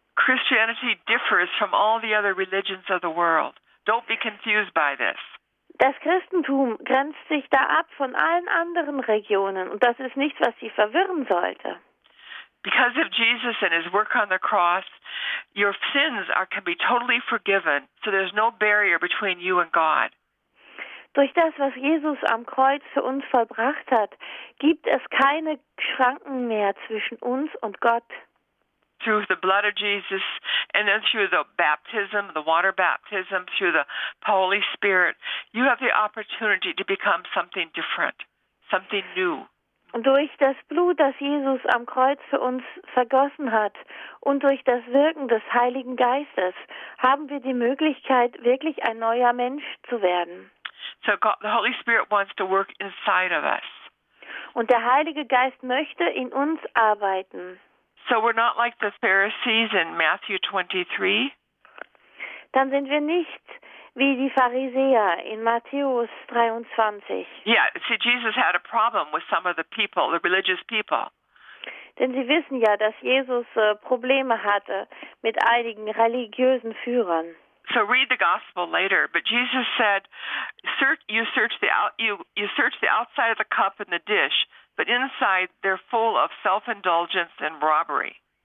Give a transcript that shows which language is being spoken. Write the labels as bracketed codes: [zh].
[en] Christianity differs from all the other religions of the world. Don't be confused by this. [de] Das Christentum grenzt sich da ab von allen anderen Religionen, und das ist nichts, was Sie verwirren sollte. [en] Because of Jesus and his work on the cross, your sins can be totally forgiven, so there's no barrier between you and God. [de] Durch das, was Jesus am Kreuz für uns vollbracht hat, gibt es keine Schranken mehr zwischen uns und Gott. [en] Through the blood of Jesus, and then through the baptism, the water baptism, through the Holy Spirit, you have the opportunity to become something different, something new. [de] Durch das Blut, das Jesus am Kreuz für uns vergossen hat, und durch das Wirken des Heiligen Geistes, haben wir die Möglichkeit, wirklich ein neuer Mensch zu werden. [en] So God, the Holy Spirit wants to work inside of us. [de] Und der Heilige Geist möchte in uns arbeiten. [en] So we're not like the Pharisees in Matthew 23. [de] Dann sind wir nicht wie die Pharisäer in Matthäus 23. [en] Yeah, see, Jesus had a problem with some of the people, the religious people. [de] Denn Sie wissen ja, dass Jesus Probleme hatte mit einigen religiösen Führern. [en] So read the gospel later, but Jesus said, "You search the outside of the cup and the dish." But inside, they're full of self-indulgence and robbery.